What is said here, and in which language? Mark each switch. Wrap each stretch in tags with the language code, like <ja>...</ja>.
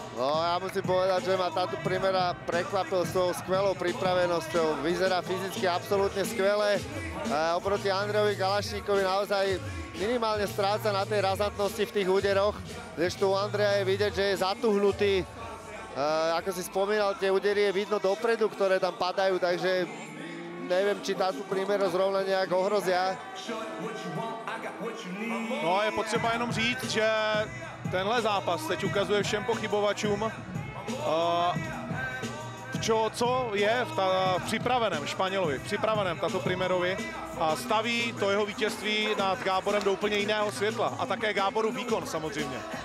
<cs>No já musím povedat, že má tato Primera překvapil svou skvělou připraveností.</cs> <sk>Vyzerá fyzicky absolutně skvěle. Oproti Andrejovi Kalašníkovi naozaj minimálně ztráca na té razantnosti v těch úderoch.</sk> <cs>Když tu u Andreja je vidět, že je zatuhnutý.</cs> <sk>Ako si spomínal, tie údery je vidno dopredu, ktoré tam padajú, takže neviem, či táto Primera zrovna nejak ohrozia.</sk> <cs>No a je potřeba jenom říct, že tenhle zápas teď ukazuje všem pochybovačům, co je v připraveném Španělovi, připraveném tato Primerovi a staví to jeho vítězství nad Gáborem do úplně jiného světla a také Gáboru výkon samozřejmě.</cs>